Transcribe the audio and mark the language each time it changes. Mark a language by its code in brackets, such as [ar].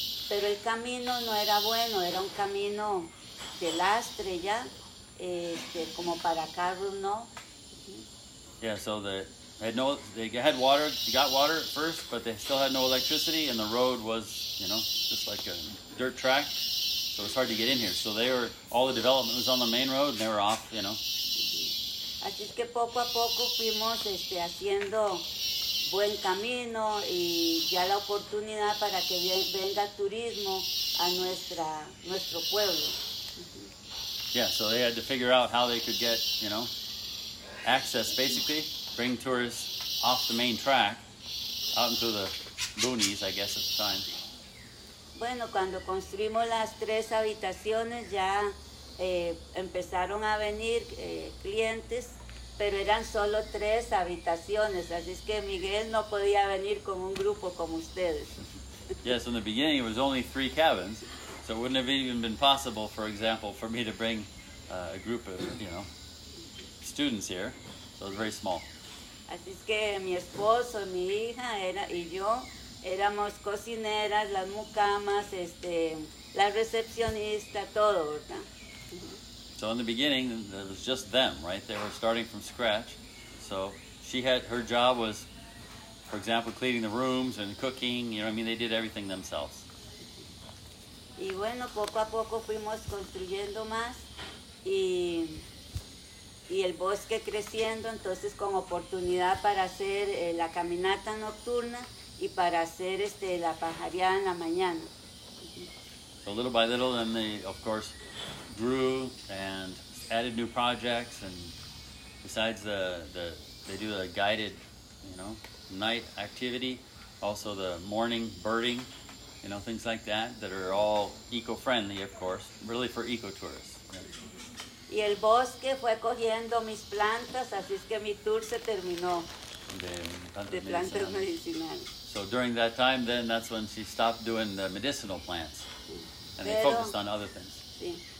[es] Pero el camino no era bueno, era un camino de lastre ya, como para carros no. [en] Yeah, so they had water, they got water at first, but they still had no electricity, and the road was, you know, just like a dirt track. So it was hard to get in here. So all the development was on the main road, and they were off, you know. [es] Así es que poco a poco fuimos haciendo buen camino y ya la oportunidad para que venga turismo a nuestro pueblo. [en] Yeah, so they had to figure out how they could get, you know, access basically, bring tourists off the main track, out into the boonies, I guess, at the time. [es] Bueno, cuando construimos las tres habitaciones ya empezaron a venir clientes, pero eran solo tres habitaciones, así es que Miguel no podía venir con un grupo como ustedes. [en] Yes, in the beginning it was only three cabins, so it wouldn't have even been possible, for example, for me to bring a group of, you know, students here, so it was very small. [es] Así es que mi esposo, mi hija y yo éramos cocineras, las mucamas, la recepcionista, todo, ¿verdad? [en] So in the beginning, it was just them, right? They were starting from scratch. So she had, her job was, for example, cleaning the rooms and cooking, you know what I mean? They did everything themselves. [es] Y bueno, poco a poco fuimos construyendo más y el bosque creciendo, entonces con oportunidad para hacer la caminata nocturna y para hacer la pajareada en la mañana. [en] So little by little, then they, of course, grew and added new projects, and besides the they do the guided, you know, night activity, also the morning birding, you know, things like that, that are all eco-friendly, of course, really for eco-tourists. [es] Y el bosque fue cogiendo mis plantas, así es que mi tour se terminó de plantas medicinales. [en] So during that time, then that's when she stopped doing the medicinal plants, and they focused on other things.